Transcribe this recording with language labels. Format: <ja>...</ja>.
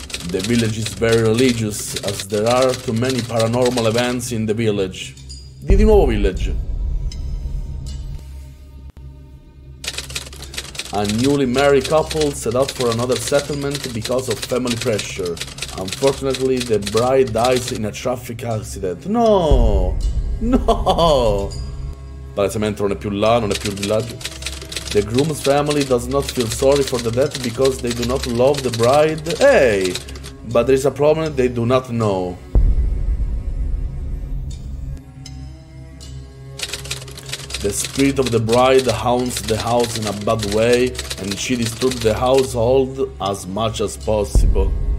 <en>The village is very religious as there are too many paranormal events in the village.</en> <it>Di nuovo</it> <en>village. A newly married couple set out for another settlement because of family pressure. Unfortunately, the bride dies in a traffic accident. No! No!</en> <it>Palesemente non è più là, non è più il villaggio.</it> <en>The groom's family does not feel sorry for the death because they do not love the bride. Hey! But there is a problem they do not know. The spirit of the bride haunts the house in a bad way and she disturbs the household as much as possible.</en>